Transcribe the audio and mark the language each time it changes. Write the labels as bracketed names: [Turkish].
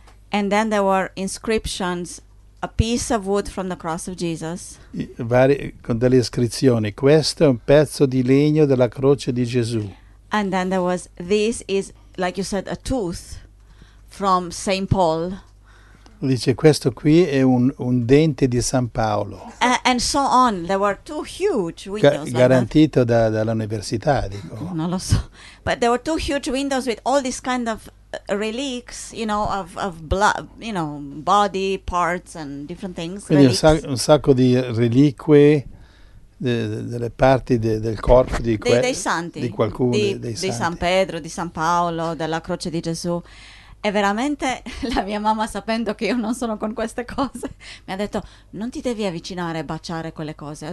[English] And then there were inscriptions, a piece of wood from the cross of Jesus. [Italian] Con delle iscrizioni. Questo è un pezzo di legno della croce di Gesù. [English] And then there was, this is, like you said, a tooth from Saint Paul. [Italian] Dice questo qui è un dente di San Paolo. [English] And so on, there were two huge windows. [Italian] Garantito like dall'università, dico. Non lo so. [English] But there were two huge windows with all these kind of reliques, you know, of blood, you know, body parts and different things. [Italian] Quindi un sacco di reliquie delle parti del corpo di dei santi, di qualcuno dei santi. Di San Pedro, di San Paolo, della croce di Gesù. E veramente la mia mamma, sapendo che io non sono con queste cose, mi ha detto non ti devi avvicinare e baciare quelle cose.